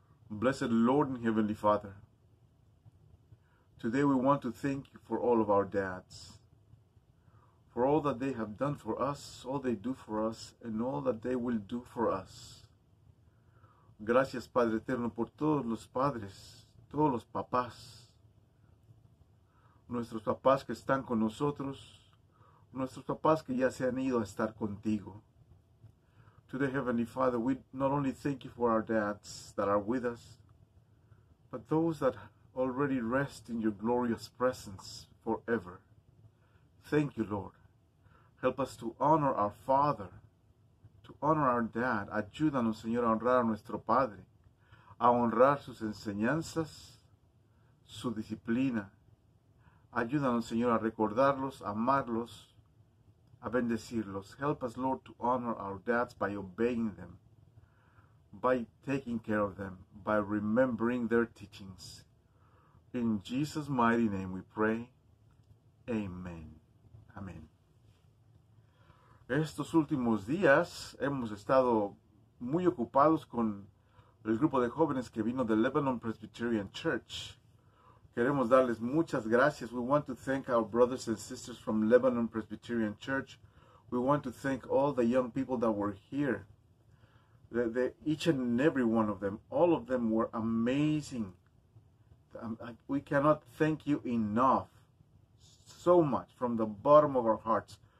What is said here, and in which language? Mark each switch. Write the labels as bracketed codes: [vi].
[en] Blessed Lord and Heavenly Father, today we want to thank you for all of our dads. For all that they have done for us, all they do for us, and all that they will do for us. [es] Gracias, Padre Eterno, por todos los padres, todos los papás. Nuestros papás que están con nosotros, nuestros papás que ya se han ido a estar contigo. [en] To the Heavenly Father, we not only thank you for our dads that are with us, but those that already rest in your glorious presence forever. Thank you, Lord. Help us to honor our father, to honor our dad. Ayúdanos, Señor, a honrar a nuestro padre, a honrar sus enseñanzas, su disciplina. Ayúdanos, Señor, a recordarlos, amarlos, a bendecirlos. Help us, Lord, to honor our dads by obeying them, by taking care of them, by remembering their teachings. In Jesus' mighty name we pray. Amen. Amen. [es] Estos últimos días hemos estado muy ocupados con el grupo de jóvenes que vino de Lebanon Presbyterian Church. Queremos darles muchas gracias. [en] We want to thank our brothers and sisters from Lebanon Presbyterian Church. We want to thank all the young people that were here. Each and every one of them, all of them were amazing. We cannot thank you enough, so much, from the bottom of our hearts.